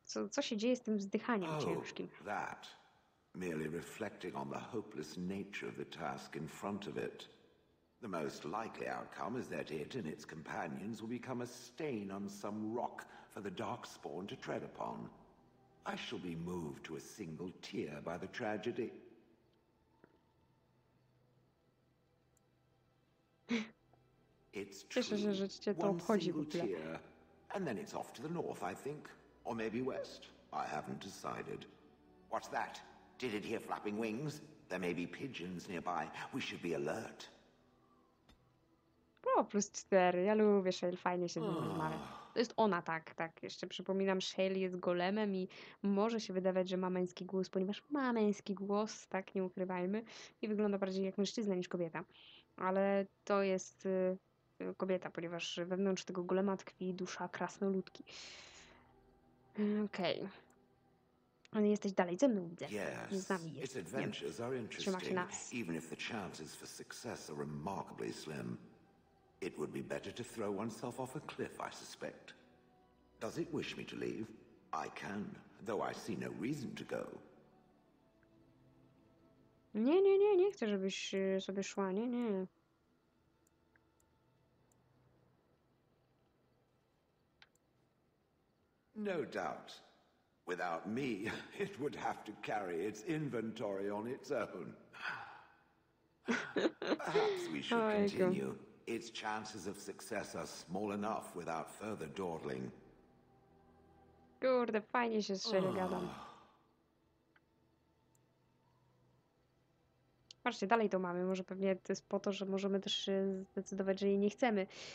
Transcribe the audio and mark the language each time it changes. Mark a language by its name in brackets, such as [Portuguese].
[Polish] Co się dzieje z tym wzdychaniem ciężkim? [English] That. Merely reflecting on the hopeless nature of the task in front of it. The most likely outcome is that it and its companions will become a stain on some rock for the Darkspawn to tread upon. I shall be moved to a single tear by the tragedy. It's true, one single tear, and then it's off to the north, I think. Or maybe west. I haven't decided. What's that? Did it hear flapping wings? There may be pigeons nearby. We should be alert. [Polish] O, plus 4. Ja lubię Shale, fajnie się z nim rozmawia. To jest ona, tak, tak. Jeszcze przypominam, Shale jest golemem i może się wydawać, że ma męski głos, ponieważ ma męski głos, tak, nie ukrywajmy. I wygląda bardziej jak mężczyzna niż kobieta. Ale to jest kobieta, ponieważ wewnątrz tego golema tkwi dusza krasnoludki. Okej. Ale jesteś dalej ze mną, widzę. [English] Yes. [Polish] Z nami jest. Trzyma się nas. [English] Even if the chances for success are remarkably slim. It would be better to throw oneself off a cliff, I suspect. Does it wish me to leave? I can, though I see no reason to go. [Polish] Nie, nie, nie, nie chcę, żebyś sobie szła, nie, nie. [English] No doubt. Without me, it would have to carry its inventory on its own. Perhaps we should continue. Its chances of success are small enough without further dawdling. [Polish] Kurde, fajnie się z Shale gadam. Patrzcie, dalej to mamy. Może pewnie to jest po to, że możemy też zdecydować, że jej nie chcemy.